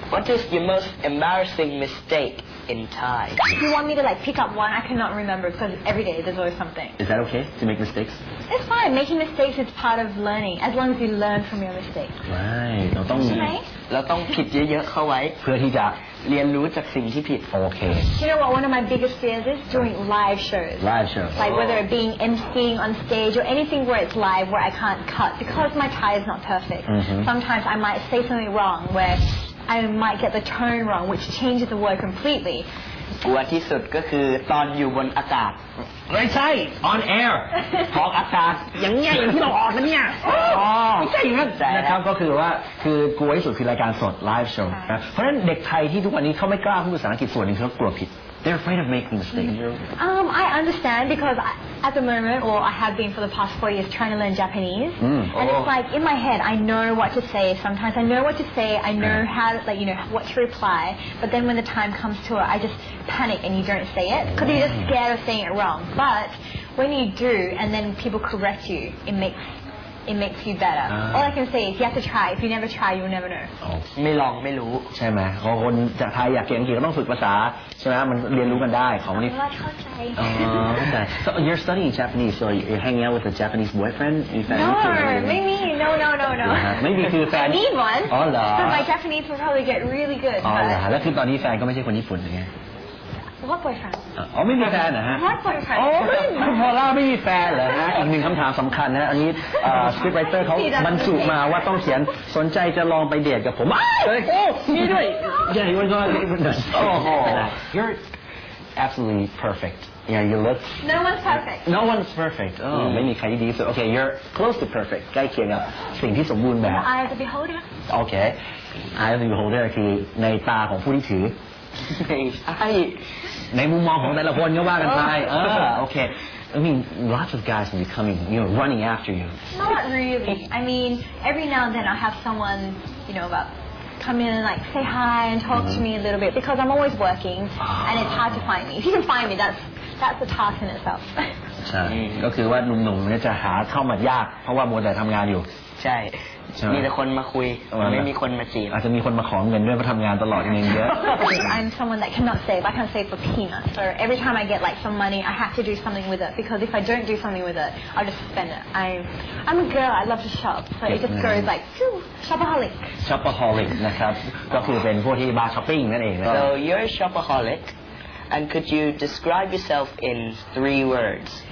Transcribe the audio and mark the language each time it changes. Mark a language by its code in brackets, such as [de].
[en] What is your most embarrassing mistake in Thai? If you want me to like pick up one, I cannot remember because every day there's always something. Is that okay to make mistakes? It's fine. Making mistakes is part of learning. As long as you learn from your mistakes. [th] Right. เราต้อง ผิดเยอะๆเข้าไว้ เพื่อที่จะ เรียนรู้จากสิ่งที่ผิด โอเค [en] You know what one of my biggest fears is doing live shows like whether it being emceeing on stage or anything where it's live where I can't cut because my Thai is not perfect sometimes I might say something wrong where I might get the tone wrong which changes the word completely [th] กลัวที่สุดก็คือตอนอยู่บนอากาศ ไม่ใช่ on air ออกอากาศอย่างเงี้ยอย่างที่เราออกนะเนี่ยอ๋อไม่ใช่อย่างนั้ นนะครับก็คือว่าคือกลัวที่สุดคือรายการสด live show เพราะฉะนั้นเด็กไทยที่ทุกวันนี้เขาไม่กล้าพูดภาษาอังกฤษส่วนหนึ่งเพราะกลัวผิด [en] they're afraid of making mistakes I understand because at the moment or I have been for the past 4 years trying to learn Japanese and it's like in my head I know what to say sometimes I know what to say I know how like you know what to reply but then when the time comes to it I justPanic and you don't say it because you're just scared of saying it wrong. But when you do, and then people correct you, it makes you better. All I can say is you have to try. If you never try, you'll never know. [th] ไม่ลองไม่รู้ ใช่ไหมคนจะไทยอยากเก่งจริงก็ต้องฝึกภาษาใช่ไหมมันเรียนรู้กันได้ของนี่ เข้าใจ [en] So you're studying Japanese, so you're hanging out with a Japanese boyfriend? No, [th] ไม่มีคือแฟน [en] Need one? [th] อ๋อเหรอ [en] But my Japanese will probably get really good. [th] อ๋อเหรอแล้วคือตอนนี้แฟนก็ไม่ใช่คนญี่ปุ่นไง [en] What boyfriend? [th] อ๋อไม่มีแฟนนะฮะ [en] What boyfriend? [th] อ๋อพอล่าไม่มีแฟนเหรอฮะอีกหนึ่งคำถามสำคัญนะอันนี้สคริปต์ไรเตอร์เขาบรรจุมาว่าต้องเขียนสนใจจะลองไปเดทกับผมไอ้เฮ้ยโอ้มีด้วยใหญ่วันก่อนโอ้โห [en] You're absolutely perfect Yeah you look No one's perfect [th] Oh ไม่มีใครดีสุด [en] Okay you're close to perfect [th] ใกล้เคียงกับสิ่งที่สมบูรณ์แบบ [en] Eye of the beholder Okay Eye of the beholder [th] คือในตาของผู้ที่ถือ ไม่ใช่ในมุมมองของแต่ละคนก็ว่ากันไปโอเค [en] I mean, lots of guys will be coming, you know, running after you. Not really. I mean, every now and then I'll have someone, you know, about come in and like say hi and talk mm-hmm. to me a little bit, because I'm always working and it's hard to find me. If you can find me, that's a task in itself. [th] ก็คือว่าหนุ่มๆเนี่ยจะหาเข้ามายากเพราะว่ามัวแต่ทำงานอยู่ ใช่มีแต่คนมาคุยไม่มีคนมาจีบอ าจจะมีคนมาขอเงินด้วยเพราะทำงานตลอดเงินเยอะ [en] I'm someone that cannot save I can't save for peanuts so every time I get like some money I have to do something with it because if I don't do something with it I'll just spend it I'm a girl I love to shop so it just goes like shopaholic [th] shopaholic นะครับก็คือเป็นพวกที่บ้าช้อปปิ้งนั่นเอง [en] so you're a shopaholic and could you describe yourself in three words